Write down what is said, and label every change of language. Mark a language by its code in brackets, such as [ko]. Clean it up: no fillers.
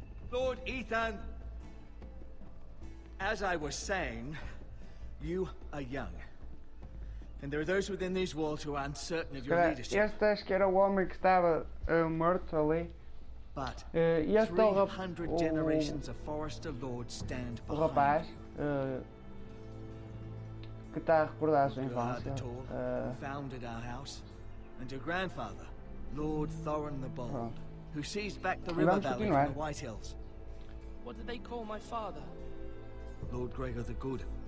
[en] Lord Ethan, as I was saying, you are young, and there are those within these walls who are uncertain of your leadership. [pt] Este acho que era o homem que estava morto ali. [en] But 300 generations of Forrester lords stand behind you. [pt] Rapaz, que está a recordar a sua infância. [en] Who founded our house, and your grandfather, Lord Thorin the Bold, who seized back the river valley from the White Hills. What did they call my father? Lord Gregor the Good.